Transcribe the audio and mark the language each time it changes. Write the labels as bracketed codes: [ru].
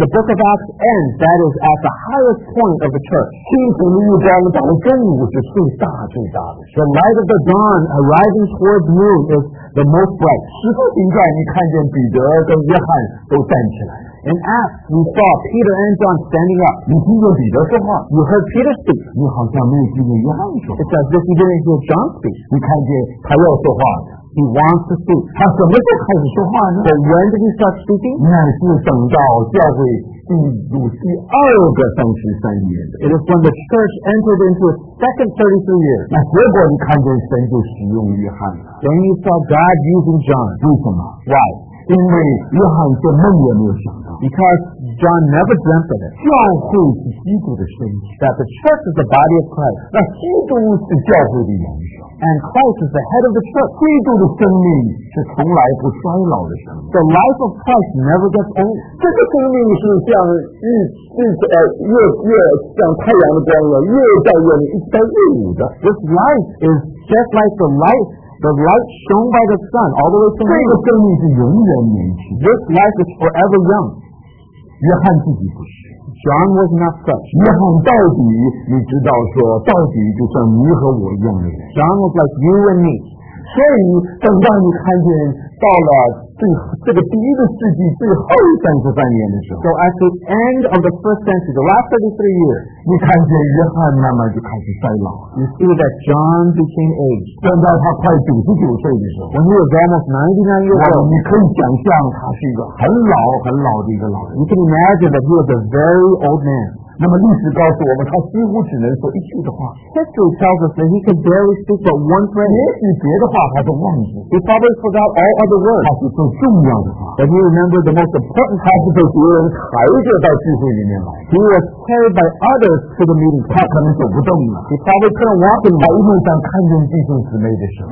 [en] When the Book of Acts ends, that is at the highest point of the church. [zh] 信徒的预兆到了中午是最大、最大的。 [en] The light of the dawn arising toward noon is the most bright. [zh] 使徒行传你看见彼得跟约翰都站起来。 [en] In Acts, we saw Peter and John standing up. [zh] 你听见彼得说话 [en] You heard Peter speak. [zh] 你好像没有听见约翰说 [en] It's as if you didn't hear John speak. [zh] 你看见他要说话 [en] He wants to speak. [zh] 他什么时候开始说话呢 [en] But when did he start speaking? [zh] 那是等到教会进入第二个33年 [en] It is when the church entered into its second 33 years. [zh] 那结果你看见神就使用约翰 [en] Then you saw God using John. [zh] 为什么 [en] Why? [zh] 因为约翰做梦也没有想到 [en] ，because John never dreamt of it。 [zh] 教会是基督的身体 [en] ，that the church is the body of Christ。 [zh] 那基督是教会的元首 [en] ，and Christ is the head of the church。 [zh] 基督的生命是从来不衰老的生命 [en] ，the life of Christ never gets old。 [zh] 这个生命是像日日越像太阳的光了，越照越明，一直在日午的。 [en] This life is just like the light。 The light shone by the sun all the way to the moon. This life is forever young. [zh] 约翰自己不是。 [en] John was not such. [zh] 约翰到底你知道说到底就像你和我一样的人。 [en] John was like you and me. [zh] 所以等到你看见到了这个第一个世纪最后33年的时候。 [en] So at the end of the first century, the last 33 years, [zh] 你看见约翰慢慢就开始衰老了。 [en] You see that John became aged. [zh] 等到他快99岁的时候。 [en] When he was almost 99 years old, [zh] 你可以想象他是一个很老很老的一个老人。 [en] You can imagine that he was a very old man. [zh] 那么历史告诉我们，他几乎只能说一句的话。 [en] History tells us that he could barely speak but one phrase. [zh] 也许别的话他都忘记。 [en] He probably forgot all other words. [zh] 他是最重要的话。 [en] But he remembered the most important. [zh] 他是被别人抬着到聚会里面来。 [en] He was carried by others to the meeting. [zh] 他可能走不动了。 [en] He probably couldn't walk in. [zh] 他一路上看见弟兄姊妹的时候。